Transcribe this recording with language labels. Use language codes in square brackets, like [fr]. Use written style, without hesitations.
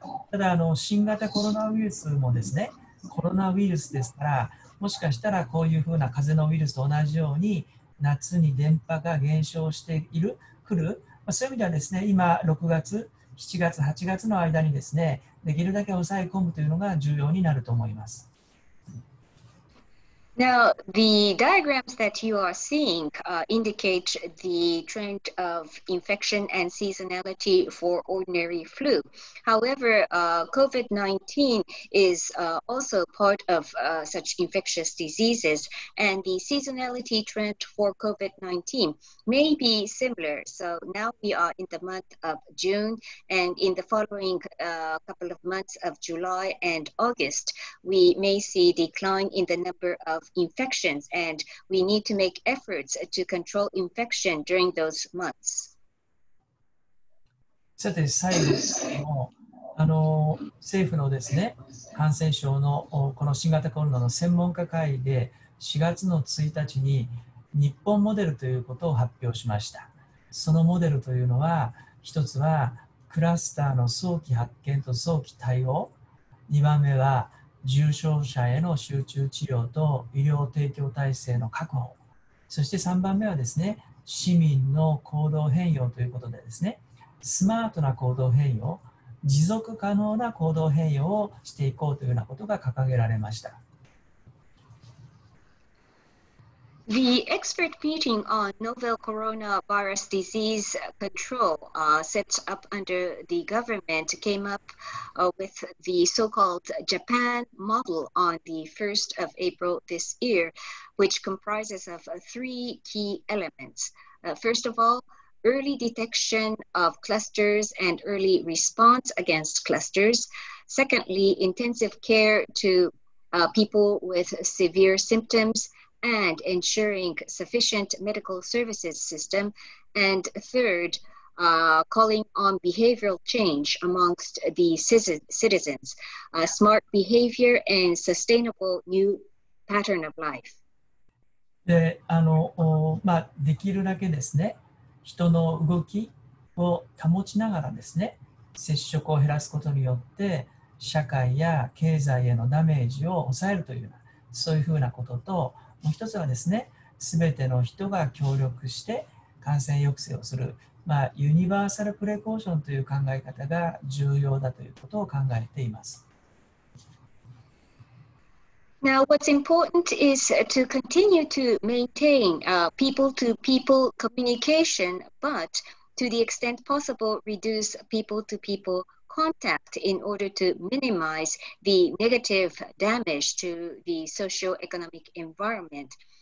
[ja] ただ新型コロナウイルスもですね、コロナウイルスですから、もしかしたらこういうふうな風邪のウイルスと同じように夏に電波が減少している、来る、まあ、そういう意味ではですね、今6月、7月、8月の間にですね、できるだけ抑え込むというのが重要になると思います。 [en] Now, the diagrams that you are seeing indicate the trend of infection and seasonality for ordinary flu. However, COVID-19 is also part of such infectious diseases, and the seasonality trend for COVID-19 may be similar. So now we are in the month of June, and in the following couple of months of July and August, we may see decline in the number of infections, and we need to make efforts to control infection during those months. [ja] さて、最後ですけども、政府のですね、感染症のこの新型コロナの専門家会議で4月の1日に日本モデルということを発表しました。そのモデルというのは、一つはクラスターの早期発見と早期対応、2番目は重症者への集中治療と医療提供体制の確保、そして3番目はですね、市民の行動変容ということでですね、スマートな行動変容、持続可能な行動変容をしていこうというようなことが掲げられました。 [en] The expert meeting on novel coronavirus disease control set up under the government came up with the so-called Japan model on the 1st of April this year, which comprises of three key elements. First of all, early detection of clusters and early response against clusters. Secondly, intensive care to people with severe symptoms. And ensuring sufficient medical services system. And third, calling on behavioral change amongst the citizens, smart behavior and sustainable new pattern of life. [ja] で、できるだけですね、人の動きを保ちながらですね、接触を減らすことによって、社会や経済へのダメージを抑えるという、そういうふうなことと、もう一つはですね、すべての人が協力して感染抑制をする、ユニバーサルプレコーションという考え方が重要だということを考えています。 [en] Now, what's important is to continue to maintain people-to-people communication, but to the extent possible, reduce people-to-people contact in order to minimize the negative damage to the socioeconomic environment.